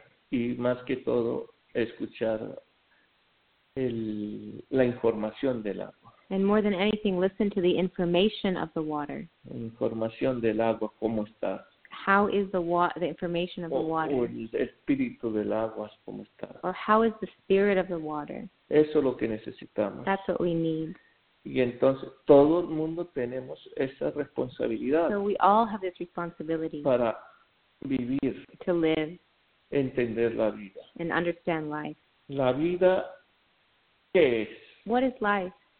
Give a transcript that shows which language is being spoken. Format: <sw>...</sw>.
<es>Y más que todo escuchar la información del agua.</es> <en>And more than anything, listen to the information of the water.</en> <es>Información del agua, ¿cómo está?</es> <en>How is the information of the water?</en> <es>O el espíritu del agua, ¿cómo está?</es> <en>Or how is the spirit of the water?</en> <es>Eso es lo que necesitamos.</es> <en>That's what we need.</en> <es>Y entonces, todo el mundo tenemos esa responsabilidad.</es> <en>So we all have this responsibility.</en> <es>Para vivir.</es> <en>To live.</en> <es>Entender la vida.</es> <en>And understand life.</en> <es>La vida, ¿qué es?</es> <en>What is life?</en>